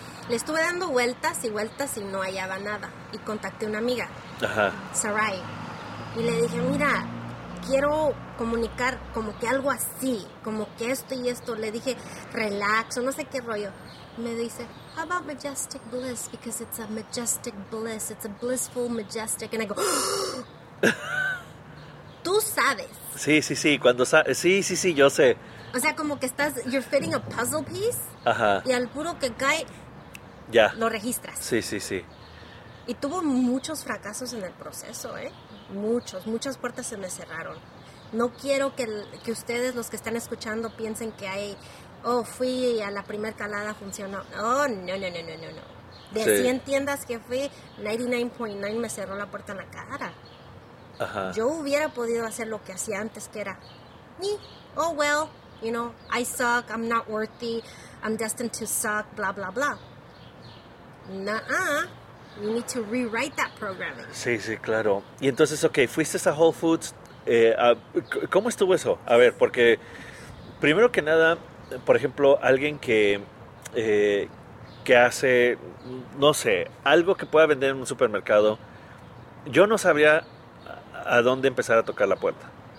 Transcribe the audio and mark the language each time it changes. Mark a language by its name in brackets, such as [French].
[Spanish] Le estuve dando vueltas y vueltas y no hallaba nada. Y contacté a una amiga, ajá, Sarai. Y le dije, mira, quiero comunicar como que algo así, como que esto y esto. Le dije, relax, o no sé qué rollo. Me dice, [English] how about [Spanish] Majestic Bliss? [English] Because it's a majestic bliss, it's a blissful majestic. And I go, [Spanish] tú sabes. Sí, sí, sí, cuando sí, yo sé. O sea, como que estás, [English] you're fitting a puzzle piece. Ajá. [Spanish] Y al puro que cae, ya lo registras. Sí, sí, sí. Y tuvo muchos fracasos en el proceso, ¿eh? Muchas puertas se me cerraron. No quiero que ustedes, los que están escuchando, piensen que hay, oh, fui y a la primer calada funcionó. Oh, no. De 100 tiendas que fui, 99.9 me cerró la puerta en la cara. Ajá. Yo hubiera podido hacer lo que hacía antes, que era, [English] oh, well, you know, I suck, I'm not worthy, I'm destined to suck, blah, blah, blah. Nuh-uh, you need to rewrite that programming. [Spanish] Sí, sí, claro. Y entonces, ok, fuiste a Whole Foods, ¿Cómo estuvo eso? A ver, porque primero que nada, por ejemplo, alguien que hace, no sé, algo que pueda vender en un supermercado, yo no sabría a dónde empezar a tocar la puerta.